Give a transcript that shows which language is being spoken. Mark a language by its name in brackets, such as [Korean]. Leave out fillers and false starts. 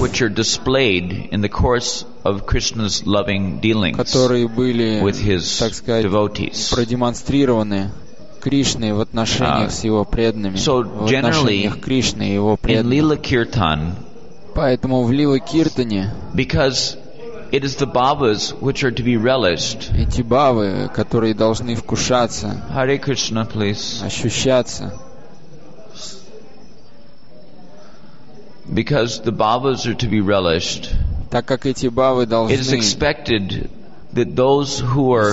[English] which are displayed in the course of Krishna's loving dealings [Russian] были, [English] with his [Russian] так сказать, [English] devotees, [Russian] продемонстрированы к Кришной в отношениях с его преданными, [English] so [Russian] в отношениях Кришны и его преданными. Поэтому в Лила Киртане, [English] because it is the bhavas which are to be relished. [Russian] Эти бхавы, которые должны вкушаться. [English] Hare Krishna, please. [Russian] Ощущаться. [English] Because the bhavas are to be relished. [Russian] Так как эти бхавы должны. [English] It is expected that those who are.